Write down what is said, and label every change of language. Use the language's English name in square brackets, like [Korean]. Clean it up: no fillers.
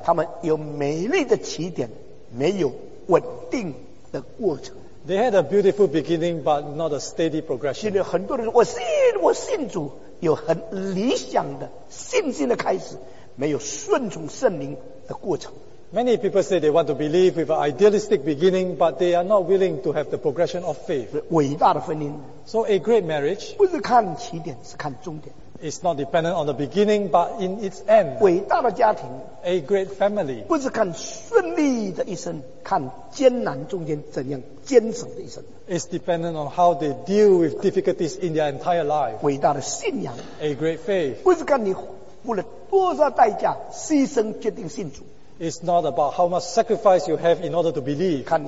[Chinese] 他们有美丽的起点，没有稳定的过程。 [English] They had a beautiful beginning, but not a steady progression. [Chinese] 现在很多人说，我信主。有很理想的信心的开始，没有顺从圣灵的过程。 [English] Many people say they want to believe with an idealistic beginning, but they are not willing to have the progression of faith. [Chinese] 伟大的婚姻, [English] so a great marriage [Chinese] 不是看起点, 是看终点, [English] is not dependent on the beginning, but in its end. [Chinese] 伟大的家庭, [English] a great family [Chinese] 不是看顺利的一生, 看艰难中间怎样坚守的一生, [English] is dependent on how they deal with difficulties in their entire life. [Chinese] 伟大的信仰, [English] a great faith [Chinese] 不是看你付了多少代价牺牲决定信主, [English] it's not about how much sacrifice you have in order to believe.